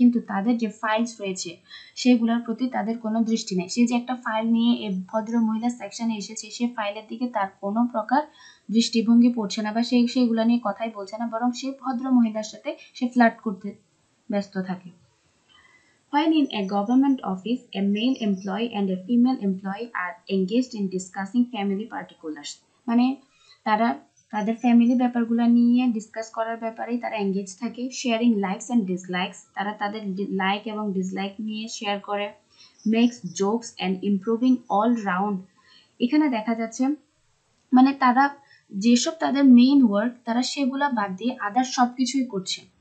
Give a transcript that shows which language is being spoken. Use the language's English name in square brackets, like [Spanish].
[Bangla] কিন্তু তাদের যে ফাইলস রয়েছে সেগুলোর প্রতি তাদের কোনো দৃষ্টি নেই। সে যে একটা ফাইল নিয়ে এই ভদ্র মহিলা সেকশনে এসেছে, সে ফাইলের দিকে তার কোনো প্রকার দৃষ্টিভঙ্গি পড়ছে না বা সে সেগুলো নিয়ে কথাই বলছে না, বরং সে ভদ্র মহিলার সাথে সে ফ্লার্ট করতে ব্যস্ত থাকে। [English] When in a government office, a male employee and a female employee are engaged in discussing family particulars. [Bangla] মানে তারা তাদের ফ্যামিলি ব্যাপারগুলো নিয়ে ডিসকাস করার ব্যাপারেই তারা এঙ্গেজ থাকে। [English] sharing likes and dislikes, [Bangla] তারা তাদের লাইক এবং ডিসলাইক নিয়ে শেয়ার করে। [English] makes jokes and improving all round, [Bangla] এখানে দেখা যাচ্ছে মানে তারা যেসব তাদের মেইন ওয়ার্ক তারা সেগুলো বাদ দিয়ে আদার সব কিছুই করছে।